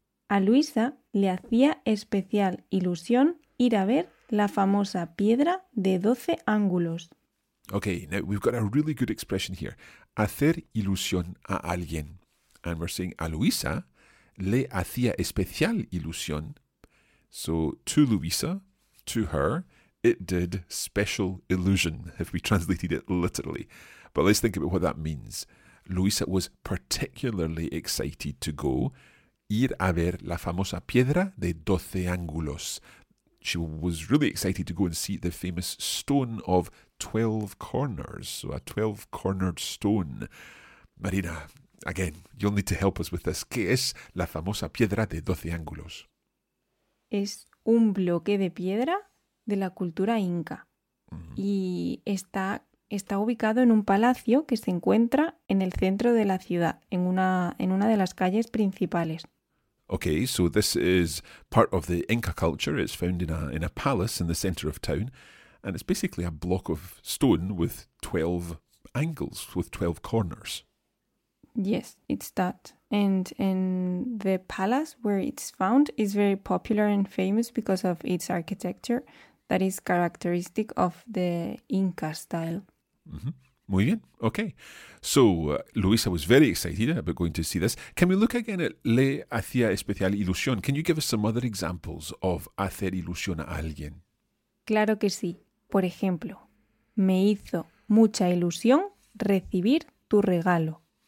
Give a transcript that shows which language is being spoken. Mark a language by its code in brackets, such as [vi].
[es] A Luisa le hacía especial ilusión ir a ver la famosa piedra de 12 ángulos. [en] Okay, now we've got a really good expression here. [es] Hacer ilusión a alguien. [en] And we're saying [es] a Luisa le hacía especial ilusión. [en] So to Luisa, to her, it did special illusion, if we translated it literally. But let's think about what that means. Luisa was particularly excited to go [es] ir a ver la famosa piedra de 12 ángulos. [en] She was really excited to go and see the famous stone of 12 corners. So a 12-cornered stone. Marina, again, you'll need to help us with this. [es] ¿Qué es la famosa piedra de 12 ángulos? Es un bloque de piedra de la cultura inca. Y está ubicado en un palacio que se encuentra en el centro de la ciudad, en una de las calles principales. [en] Okay, so this is part of the Inca culture. It's found in a palace in the center of town, and it's basically a block of stone with 12 angles, with 12 corners. Yes, it's that. And the palace where it's found is very popular and famous because of its architecture. That is characteristic of the Inca style. [es] Mm-hmm. Muy bien. Okay. [en] So, Luisa was very excited about going to see this. Can we look again at [es] le hacía especial ilusión? [en] Can you give us some other examples of [es] hacer ilusión a alguien? Claro que sí. Por ejemplo, me hizo mucha ilusión recibir tu regalo.